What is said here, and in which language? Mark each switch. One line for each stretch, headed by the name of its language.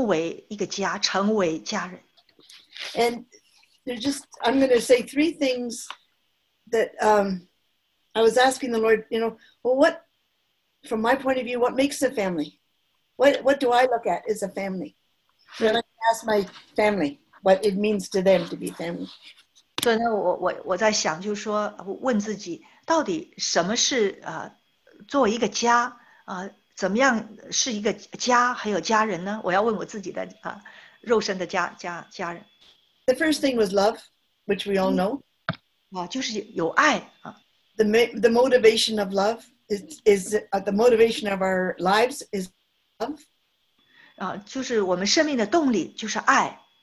Chinese: 但是神非常渴望我们成为一个家，成为家人。
English: And there's just, I'm going to say three things that I was asking the Lord, you know, well, what, from my point of view, what makes a family? What do I look at as a family? And I ask my family what it means to them to be family.
Chinese: 所以呢，我在想，就是说，问自己，到底什么是作为一个家，怎么样是一个家，还有家人呢？我要问我自己的肉身的家人。
English: The first thing was love, which we all know.
Chinese: 啊，就是有爱。
English: The motivation of love is the motivation of our lives is love.
Chinese: 啊，就是我们生命的动力就是爱。